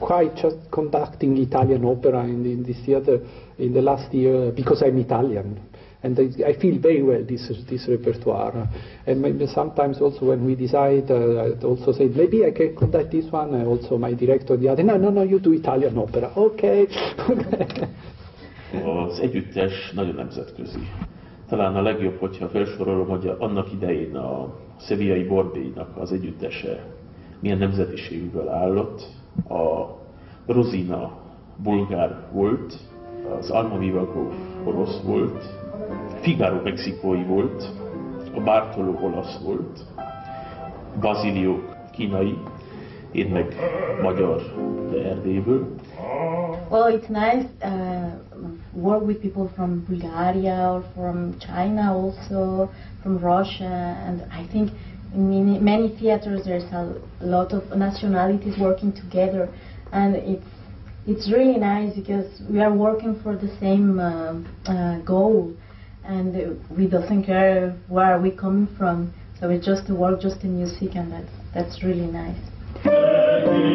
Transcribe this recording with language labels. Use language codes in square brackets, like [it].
[en] quite just conducting Italian opera in this theater in the last year because I'm Italian. And I feel very well this repertoire. And maybe sometimes also when we decide, I also say, maybe I can conduct this one, and also my director the other, no, you do Italian opera. Okay. [hu] Az együttes nagyon nemzetközi. Talán a legjobb, hogyha felsorolom, hogy annak idején a Sevillai Borbélynak az együttese milyen nemzetiségűből állott. A Rosina bulgár volt, az Alma Vivagov orosz volt, Figaro mexikói volt, a Bartolo olasz volt, Basilio kínai, én meg magyar, de Erdélyből. [en] Well, it's nice to work with people from Bulgaria or from China also, from Russia, and I think in many theaters there's a lot of nationalities working together, and it's really nice because we are working for the same goal, and we doesn't care where are we coming from, so it's just the work, just the music, and that's really nice.